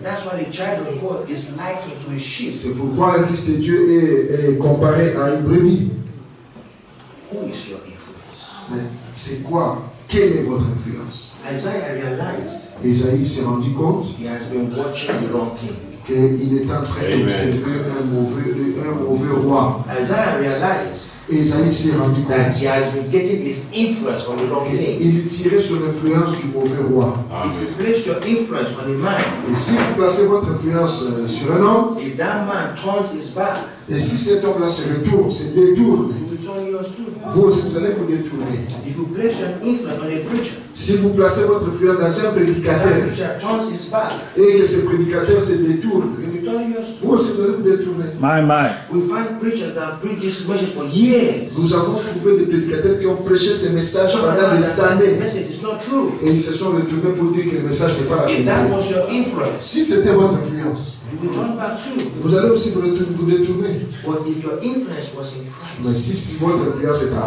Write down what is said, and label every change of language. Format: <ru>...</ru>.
<en>That's why the child of God is likened to a sheep.</en> <fr>C'est pourquoi un fils de Dieu est comparé à une brebis.</fr> <en>Who is your influence?</en> <fr>Mais c'est quoi? Quelle est votre influence?</fr> <en>Isaiah realized.</en> <fr>Isaïe s'est rendu compte.</fr> <en>He has been watching the wrong king.</en> <fr>Qu'il est en train d'observer un mauvais roi.</fr> <en>Isaiah realized.</en> <fr>Isaïe s'est rendu compte.</fr> <en>That he has been getting his influence from the wrong king.</en> <fr>Il tirait son influence du mauvais roi.</fr> <en>Amen. If you place your influence on a man.</en> <fr>Et si vous placez votre influence sur un homme.</fr> <en>If that man turns his back.</en> <fr>Et si cet homme-là se retourne, se détourne. Vous, si vous allez vous détourner,</fr> <en>if you place an influence on a preacher,</en> <fr>si vous placez votre influence dans un prédicateur, et que ce prédicateur se détourne, vous, si vous allez vous détourner,</fr> <en>we find preachers that have preached this message for years.</en> <fr>Nous avons trouvé des prédicateurs qui ont prêché ce message pendant des années. Et ils se sont retrouvés pour dire que le message n'est pas la vérité. Si c'était votre influence, vous allez aussi vous retrouver.</fr> <en>But if your influence was in Christ,</en> <fr>mais si votre influence est en</fr>